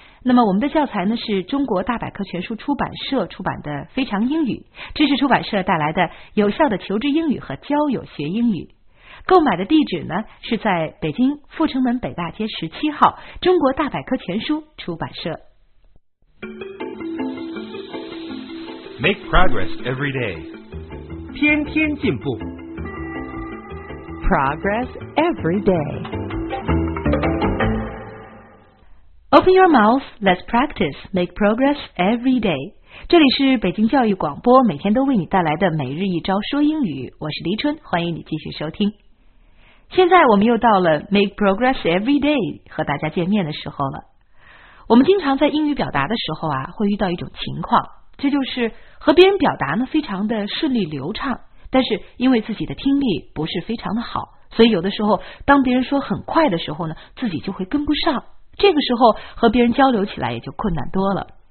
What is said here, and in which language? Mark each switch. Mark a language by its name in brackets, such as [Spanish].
[Chinese] 那么我们的教材呢，是中国大百科全书出版社出版的《非常英语》，知识出版社带来的《有效的求职英语和交友学英语》。购买的地址呢，是在北京阜成门北大街17号中国大百科全书出版社。 [English] Make progress every day. [Chinese] 天天进步。 [English] Progress every day. Open your mouth, let's practice. Make progress every day. [Chinese] 这里是北京教育广播，每天都为你带来的每日一招说英语。我是黎春，欢迎你继续收听。现在我们又到了 [English] Make progress every day [Chinese] 和大家见面的时候了。我们经常在英语表达的时候啊，会遇到一种情况，这就是和别人表达呢非常的顺利流畅，但是因为自己的听力不是非常的好，所以有的时候当别人说很快的时候呢，自己就会跟不上，这个时候和别人交流起来也就困难多了。